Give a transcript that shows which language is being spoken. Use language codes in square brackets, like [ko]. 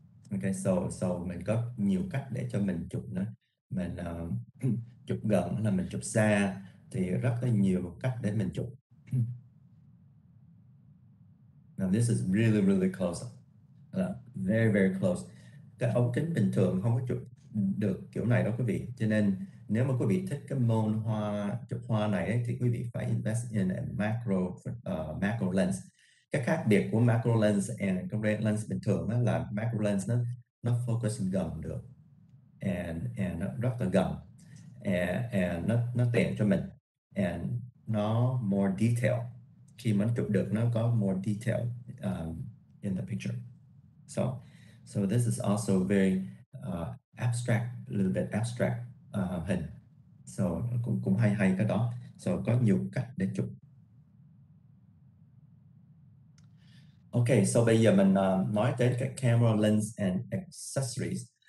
[vi] Okay, so mình có nhiều cách để cho mình chụp nó, mình chụp gần hay là mình chụp xa, thì rất là nhiều cách để mình chụp. [en] Now this is really really close, very close. [vi] Cái ống kính bình thường không có chụp được kiểu này đâu quý vị. Cho nên nếu mà quý vị thích cái môn hoa, chụp hoa này ấy, thì quý vị phải [en] invest in a macro lens. [vi] Cái khác biệt của macro lens and convex lens bình thường đó là macro lens nó focus gần được, and nó rất là gần, and nó tiện cho mình, and nó [en] more detail. [vi] Khi mình chụp được nó có [en] more detail in the picture. So this is also very abstract, little bit abstract [vi] hình. So cũng cũng hay hay cái đó. So có nhiều cách để chụp. Okay, so bây giờ mình nói tới cái [en] camera lens and accessories.